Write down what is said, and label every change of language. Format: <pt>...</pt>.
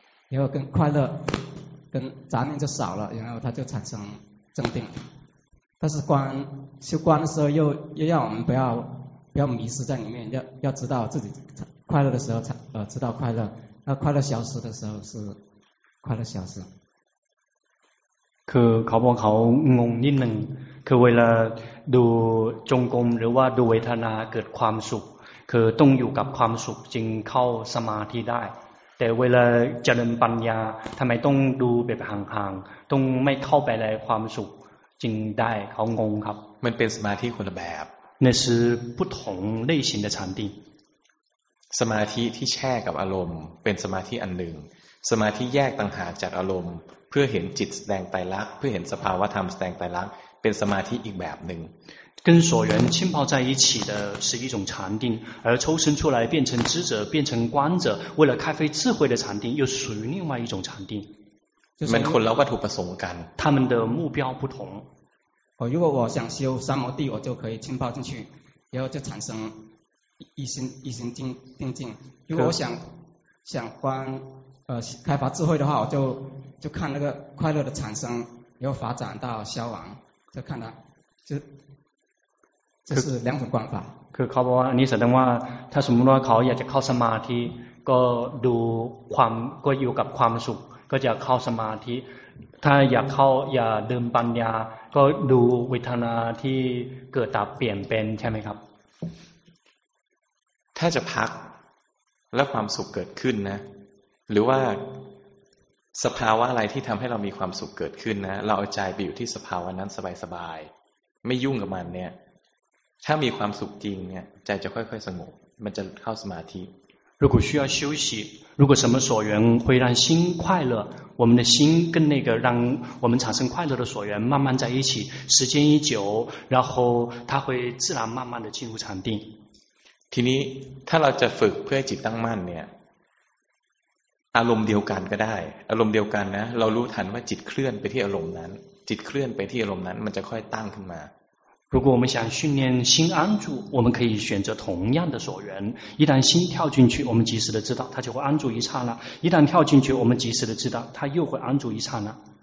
<zh>然后跟快乐跟杂念就少了然后它就产生正定但是观修观的时候又要我们不要迷失在里面要知道自己快乐的时候知道快乐那快乐消失的时候是快乐消失</zh> <th>คือเขาบอกเขางงนิดหนึ่งคือเวลาดูจงกรมหรือว่าดูเวทนาเกิดความสุขคือต้องอยู่กับความสุขจึงเข้าสมาธิได้แต่เวลาเจริญปัญญาทำไมต้องดูแบบห่างๆต้องไม่เข้าไปในความสุขจึงได้เขางงครับ มันเป็นสมาธิคนละแบบ</th> <zh>那是不同类型的禅定</zh> <th>สมาธิที่แช่กับอารมณ์เป็นสมาธิอันหนึ่งสมาธิแยกต่างหากจากอารมณ์เพื่อเห็นจิตแสดงไตรลักษณ์เพื่อเห็นสภาวะธรรมแสดงไตรลักษณ์เป็นสมาธิอีกแบบนึง</th> <zh>跟所缘浸泡在一起的是一种禅定而抽身出来变成知者变成观者为了开非智慧的禅定又属于另外一种禅定就是们</zh> <th>คนละวัตถุประสงค์กัน</th> <zh>他们的目标不同哦如果我想修三摩地我就可以浸泡进去然后就产生一心一心静定静如果我想想观开发智慧的话我就看那个快乐的产生然后发展到消亡就看它就这是两种观法</zh> <th>คือเขาบอกว่าอันนี้แสดงว่าถ้าสมมติว่าเขาอยากจะเข้าสมาธิก็ดูความก็อยู่กับความสุขก็จะเข้าสมาธิถ้าอยากเข้าอย่าดื่มปัญญาก็ดูเวทนาที่เกิดตับเปลี่ยนเป็นใช่ไหมครับ ถ้าจะพักแล้วความสุขเกิดขึ้นนะหรือว่าสภาวะอะไรที่ทำให้เรามีความสุขเกิดขึ้นนะเราเอาใจไปอยู่ที่สภาวะนั้นสบายๆไม่ยุ่งกับมันเนี่ยถ้ามีความสุขจริงเนี่ยใจจะค่อยๆสงบมันจะเข้าสมาธิ</th> <zh>如果需要休息如果什么所缘会让心快乐我们的心跟那个让我们产生快乐的所缘慢慢在一起时间一久然后它会自然慢慢的进入禅定</zh> <th>ทีนี้ถ้าเราจะฝึกเพื่อจิตตั้งมั่นเนี่ยอารมณ์เดียวกันก็ได้อารมณ์เดียวกันนะเรารู้ทันว่าจิตเคลื่อนไปที่อารมณ์นั้นจิตเคลื่อนไปที่อารมณ์นั้นมันจะค่อยตั้งขึ้นมา</th> <zh>如果我们想训练心安住，我们可以选择同样的所缘。一旦心跳进去，我们及时的知道它就会安住一刹那；一旦跳进去，我们及时的知道它又会安住一刹那。</zh>